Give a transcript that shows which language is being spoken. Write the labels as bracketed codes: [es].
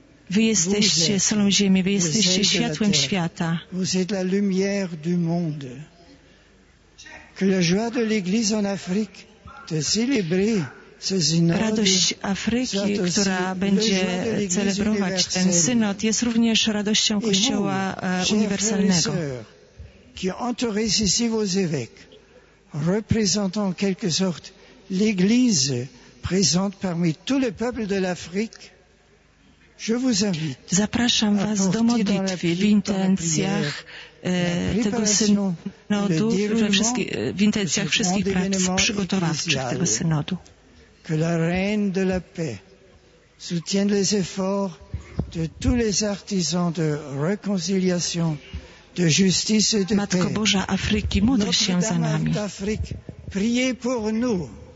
[pl] Wy jesteście solą ziemi, wy jesteście światłem świata. [fr] Vous êtes la lumière du monde. Que la joie de l'Église en Afrique de célébrer ce synode. [pl] Radość Afryki, która będzie celebrować ten synod, jest również radością Kościoła uniwersalnego. [fr] Qui entourez ici vos évêques, représentant en quelque sorte l'Église présente parmi tout le peuple de l'Afrique. [pl] Zapraszam Was do modlitwy w intencjach tego synodu, w intencjach wszystkich prac przygotowawczych tego synodu. [fr] Que la reine de la paix soutienne les efforts de tous les artisans de réconciliation, de justice et de paix. [pl] Matko Boża Afryki, módl się za nami. [fr] Priez pour nous.